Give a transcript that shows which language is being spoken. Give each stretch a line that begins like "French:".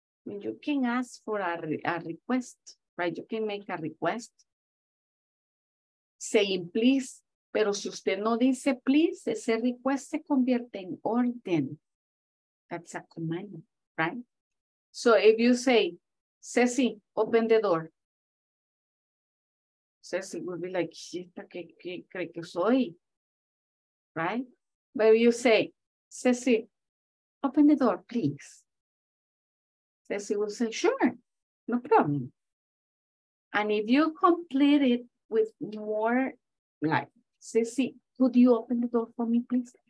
English: You can ask for a request, right? You can make a request. Saying please,
Spanish: pero si usted no dice please, ese request se convierte en orden.
English: That's a command, right? So if you say, Ceci, open the door. Ceci will be like,
Spanish: ¿esta qué cree que soy?
English: Right? But if you say, Ceci, open the door, please. Ceci will say, sure, no problem. And if you complete it with more, like, Ceci, could you open the door for me, please?